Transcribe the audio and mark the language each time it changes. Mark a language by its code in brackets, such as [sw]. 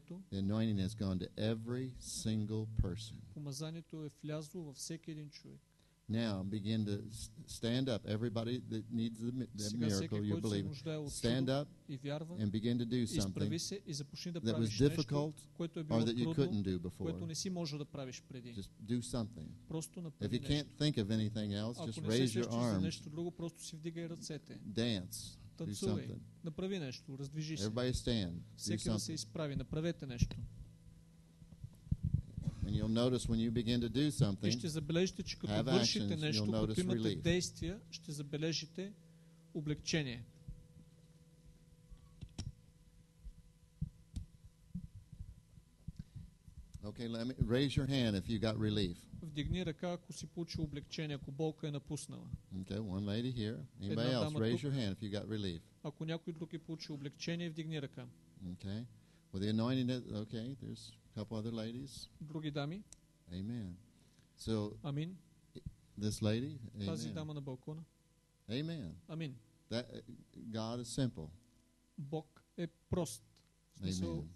[en] The anointing has gone to every single person. [bg] Помазанието е влязло във всеки един човек. [en] Now begin to stand up. Everybody that needs the miracle, you believe. Stand up and begin to do something that was difficult or that you couldn't do before. Just do something. If you can't think of anything else, just raise your arms. Dance. [bg] Танцувай, направи нещо, раздвижи се. [en] Everybody stand. [bg] Всеки да се изправи, направете нещо. [en] And you'll notice when you begin to do something, [bg] и ще забележите, че като вършите нещо, като имате действия, ще забележите облекчение. [en] Okay, let me raise your hand if you got relief. [bg] Вдигни ръка, ако си получил облекчение, ако болка е напуснала. [en] Okay, one lady here. Anybody else, raise your hand if you got relief. [bg] Ако някой друг е получил облекчение, вдигни ръка. [en] Okay. With the anointing, okay, there's a couple other ladies. [bg] Други дами. [en] Amen. So, [bg] Амин. [en] This lady, [bg] amen. Тази дама на балкона. [en] Amen. [bg] Амин. [en] God is simple. [bg] Бог е прост. [en] Amen.